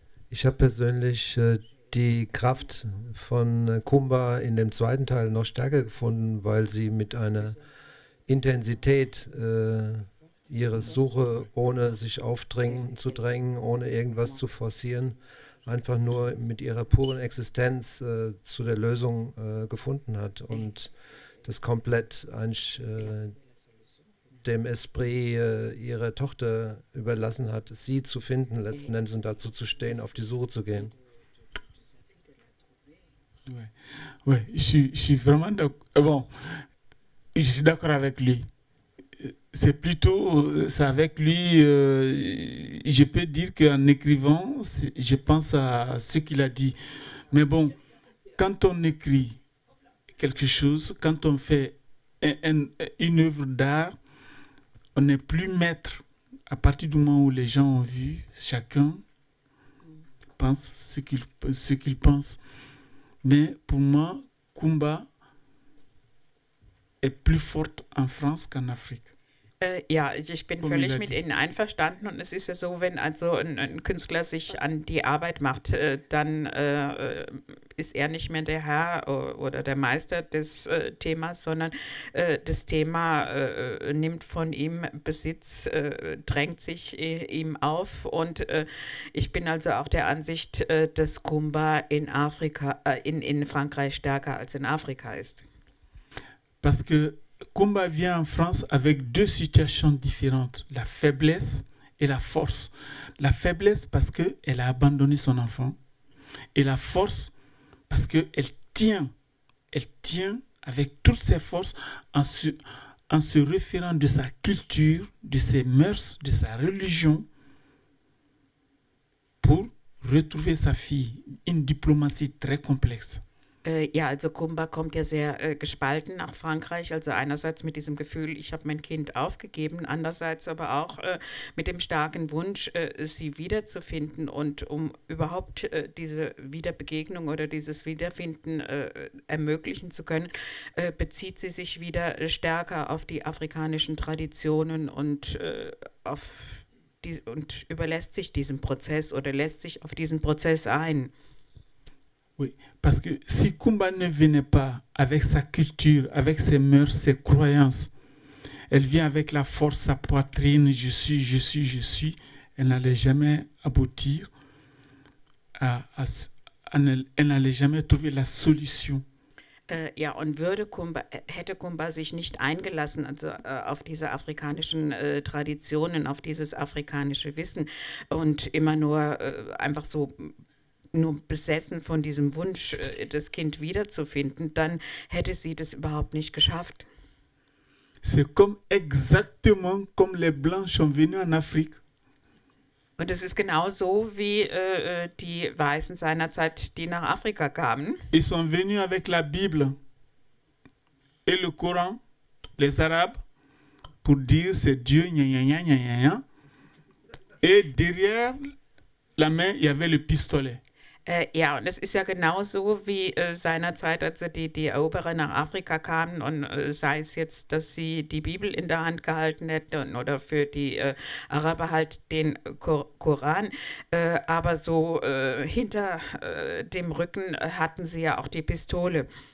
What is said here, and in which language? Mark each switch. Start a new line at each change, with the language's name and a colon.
German: Ich habe persönlich die Kraft von Kumba in dem zweiten Teil noch stärker gefunden, weil sie mit einer Intensität ihre Suche, ohne sich aufdrängen zu drängen, ohne irgendwas zu forcieren, einfach nur mit ihrer puren Existenz zu der Lösung gefunden hat und das komplett eigentlich dem Esprit ihrer Tochter überlassen hat, sie zu finden letzten Endes und dazu zu stehen, auf die Suche zu gehen.
French: Oui, je suis vraiment d'accord. Bon, je suis d'accord avec lui. C'est plutôt, c'est avec lui, je peux dire qu'en écrivant, je pense à ce qu'il a dit. Mais bon, quand on écrit quelque chose, quand on fait une œuvre d'art, on n'est plus maître. À partir du moment où les gens ont vu, chacun pense ce qu'il pense. Mais pour moi, Kumba est plus forte en France qu'en Afrique.
German: Ja, ich bin
French: Comme il
German: völlig
French: a
German: mit
French: dit.
German: Ihnen einverstanden und es ist ja so, wenn also ein Künstler sich an die Arbeit macht, dann ist er nicht mehr der Herr oder der Meister des Themas, sondern das Thema nimmt von ihm Besitz, drängt sich ihm auf. Und ich bin also auch der Ansicht, dass Kumba in Afrika, in Frankreich stärker als in Afrika ist.
French: Parce que Kumba vient en France avec deux situations différentes, la faiblesse et la force. La faiblesse parce qu'elle a abandonné son enfant et la force parce qu'elle tient avec toutes ses forces en se référant de sa culture, de ses mœurs, de sa religion pour retrouver sa fille. Une diplomatie très complexe.
German: Ja, also Kumba kommt ja sehr gespalten nach Frankreich. Also einerseits mit diesem Gefühl, ich habe mein Kind aufgegeben, andererseits aber auch mit dem starken Wunsch, sie wiederzufinden. Und um überhaupt diese Wiederbegegnung oder dieses Wiederfinden ermöglichen zu können, bezieht sie sich wieder stärker auf die afrikanischen Traditionen und auf die, und überlässt sich diesem Prozess oder lässt sich auf diesen Prozess ein.
French: Oui, parce que si Kumba ne venait pas avec sa culture, avec ses mœurs, ses croyances, elle vient avec la force, sa poitrine, je suis, je suis, je suis, elle n'allait jamais aboutir, elle n'allait jamais trouver la solution.
German: Ja, und würde Kumba, hätte Kumba sich nicht eingelassen, also auf diese afrikanischen Traditionen, auf dieses afrikanische Wissen und immer nur einfach so nur besessen von diesem Wunsch, das Kind wiederzufinden, dann hätte sie das überhaupt nicht geschafft.
French: C'est comme exactement comme les Blancs sont venus en Afrique.
German: Und es ist genau so wie die Weißen seinerzeit, die nach Afrika kamen.
French: Ils sont venus avec la Bible et le Coran, les Arabes, pour dire c'est Dieu, gna, gna, gna, gna, gna. Et derrière la main, il y avait le pistolet.
German: Ja, und es ist ja genauso wie seinerzeit, als die Eroberer nach Afrika kamen und sei es jetzt, dass sie die Bibel in der Hand gehalten hätten oder für die Araber halt den Koran, aber so hinter dem Rücken hatten sie ja auch die Pistole.